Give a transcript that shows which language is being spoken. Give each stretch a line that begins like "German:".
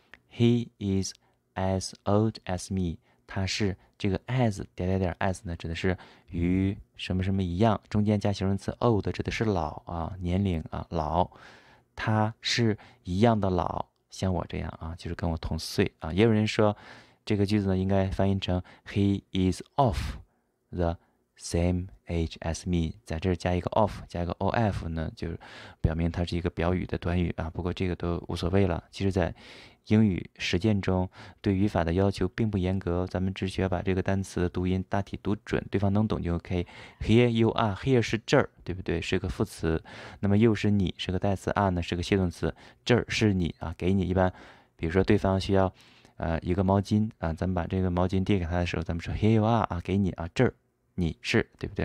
English: He is as old as me.
Chinese: 他是这个 as 点点点 as 呢，指的是与什么什么一样，中间加形容词 old 指的是老啊，年龄啊，老。他是一样的老。像我这样啊，就是跟我同岁啊。也有人说，这个句子呢应该翻译成
English: "He is of the same age as me"。
Chinese: 在这儿加一个 of，加一个 of 呢，就是表明它是一个表语的短语啊。不过这个都无所谓了。其实，在英语实践中，对语法的要求并不严格，咱们只需要把这个单词的读音大体读准，对方能懂就 OK。
English: Here you are，
Chinese: here 是这儿，对不对？是个副词。那么又是你是个代词，are 呢是个系动词，这儿是你啊，给你。一般，比如说对方需要，一个毛巾啊，咱们把这个毛巾递给他的时候，咱们说 Here you are 啊，给你啊，这儿你是，对不对？